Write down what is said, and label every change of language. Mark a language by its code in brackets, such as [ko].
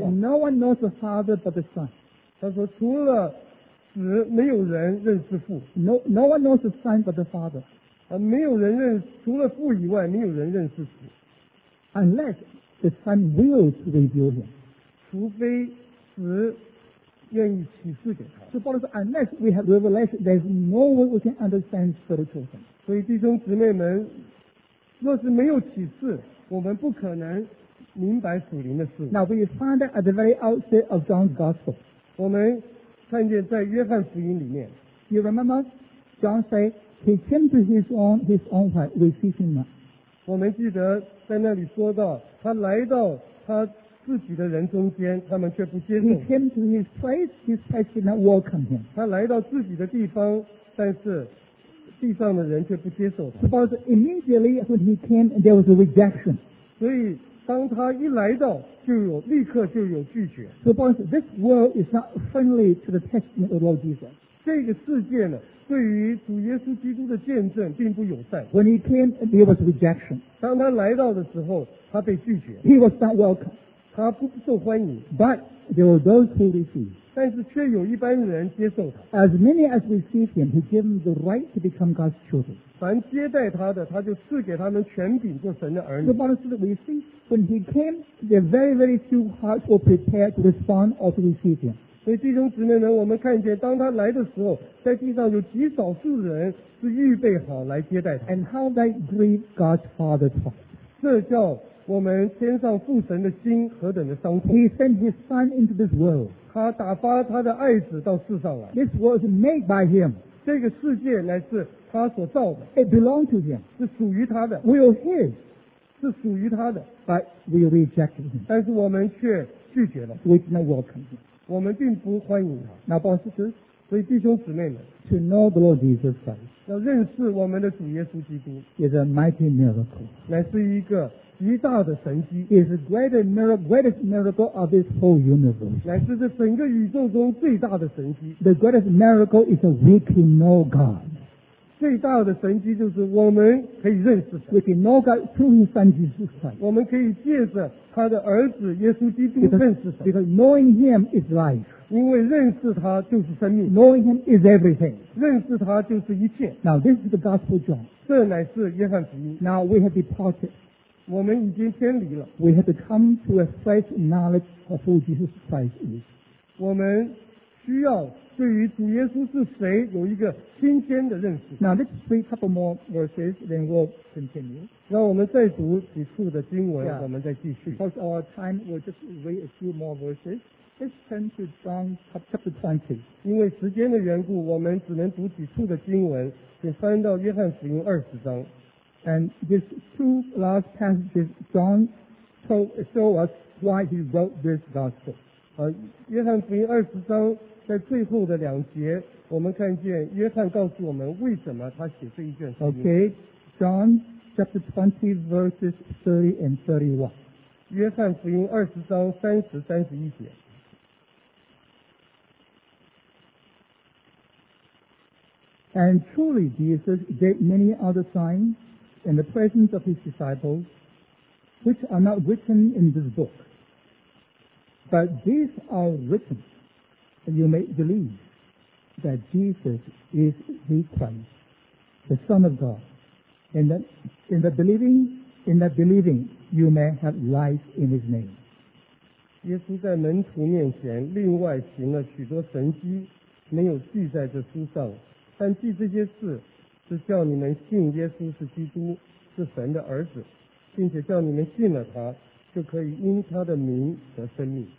[en] It's no one knows the Father but the Son. [zh] 他说除了死没有人认识父。 [en] No one knows the Son but the Father. [zh] 没有人认除了父以外，没有人认识子。 [en] Unless the Son wills to reveal him. [zh] 除非子愿意启示给他。 [en] So Paul says, unless we have revelation, there's no way we can understand spiritual things. [zh] 所以弟兄姊妹们，若是没有启示，我们不可能明白属灵的事。 [en] Now we find that at the very outset of John's Gospel. [zh] 我们看见在约翰福音里面。 [en] You remember? John said, he came to his own place, received him not. [zh] 我们记得在那里说到，他来到他自己的人中间，他们却不接受。 [en] He came to his place, his place did not welcome him. [zh] 他来到自己的地方，但是地上的人却不接受他。 [en] Suppose immediately when he came, there was a rejection. [zh] 所以当他一来到，就有立刻就有拒绝。 [en] Suppose this world is not friendly to the testimony of the Lord Jesus. [zh] 这个世界呢，对于主耶稣基督的见证并不友善。 [en] When he came, there was rejection. [zh] 当他来到的时候，他被拒绝。 [en] He was not welcome. [zh] 他不受欢迎。 [en] But there were those who received. [zh] 但是却有一般人接受他。 [en] As many as received him, he gave them the right to become God's children. [zh] 凡接待他的，他就赐给他们权柄做神的儿女。 [en] Suppose we see when he came, there were very, very few hearts were prepared to respond or to receive him. [zh] 所以弟兄姊妹们，我们看见当他来的时候，在地上有极少数人是预备好来接待他。 [en] And how they grieve God's Father's heart. [zh] 这叫我们天上父神的心何等的伤痛。 [en] He sent his son into this world. [zh] 他打发他的爱子到世上来。 [en] This world is made by him. [zh] 这个世界乃是他所造的。 [en] It belonged to him. [zh] 是属于他的。 [en] We are his. [zh] 是属于他的。 [en] But we reject him. [zh] 但是我们却拒绝了。 [en] We did not welcome him. [zh] 我们并不欢迎他。 [en] Now, brothers and sisters, [zh] 所以弟兄姊妹们 [en] ，to know the Lord Jesus Christ, [zh] 要认识我们的主耶稣基督 [en] ，is a mighty miracle, [zh] 乃是一个极大的神迹 [en] ，is the greatest miracle of this whole universe, [zh] 乃是这整个宇宙中最大的神迹。 [en] The greatest miracle is that we can know God. [zh] 最大的神迹就是我们可以认识神。 [en] We can know God through His Son Jesus Christ. [zh] 我们可以借着他的儿子耶稣基督认识神。 [en] Because knowing him is life. [zh] 因为认识他就是生命。 [en] Knowing him is everything. [zh] 认识他就是一切。 [en] Now this is the Gospel John. [zh] 这乃是约翰福音。 [en] Now we have departed. [zh] 我们已经偏离了。 [en] We have to come to a fresh knowledge of who Jesus Christ is. [zh] 我们需要对于主耶稣是谁有一个新鲜的认识。 [en] Now let's read a couple more verses, then we'll continue. [zh] 让我们再读几处的经文， yeah. 我们再继续。 [en] Because our time, we'll just read a few more verses. Let's turn to John chapter 20. [zh] 因为时间的缘故，我们只能读几处的经文，请翻到约翰福音二十章。 [en] And these two last passages, John show us why he wrote this gospel. [zh] 约翰福音二十章在最后的两节，我们看见约翰告诉我们为什么他写这一卷书。 [en] Okay, John chapter 20 verses 30 and 31. [zh] 约翰福音二十章三十、三十一节。 [en] And truly Jesus did many other signs in the presence of his disciples, which are not written in this book. But these are written. And you may believe that Jesus is the Christ, the Son of God. In that believing, you may have life in His name. [zh] 耶稣在门徒面前另外行了许多神迹，没有记在这书上。但记这些事，是叫你们信耶稣是基督，是神的儿子，并且叫你们信了他，就可以因他的名得生命。